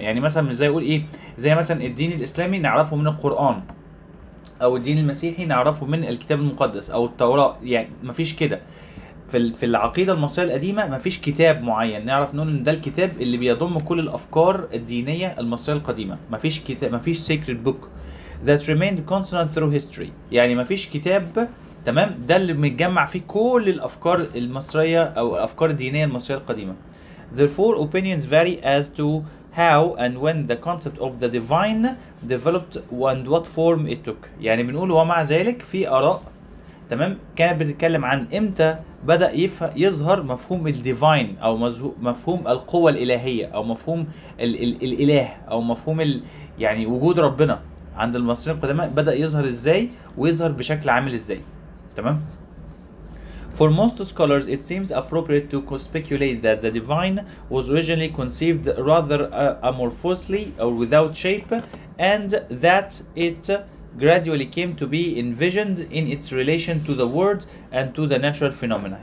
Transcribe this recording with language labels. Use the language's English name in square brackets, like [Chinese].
[Arabic] يعني مثلا مش زي اقول ايه، زي مثلا الدين الاسلامي نعرفه من القرآن، او الدين المسيحي نعرفه من الكتاب المقدس او التوراة، يعني مفيش كده في العقيدة المصرية القديمة، مفيش كتاب معين نعرف نقول ان ده الكتاب اللي بيضم كل الافكار الدينية المصرية القديمة، مفيش كتاب، مفيش [English] sacred book that remained constant through history. [Arabic] يعني مفيش كتاب، تمام، ده اللي متجمع فيه كل الافكار المصريه او الافكار الدينيه المصريه القديمه. [English] Therefore opinions vary as to how and when the concept of the divine developed and what form it took. [Arabic] يعني بنقول ومع ذلك في اراء، تمام، كانت بتتكلم عن امتى بدأ يظهر مفهوم الديفاين او مفهوم القوه الالهيه او مفهوم الاله او مفهوم يعني وجود ربنا عند المصريين القدماء، بدأ يظهر ازاي ويظهر بشكل عامل ازاي. تمام. [English] For most scholars it seems appropriate to speculate that the divine was originally conceived rather amorphously or without shape and that it gradually came to be envisioned in its relation to the world and to the natural phenomena.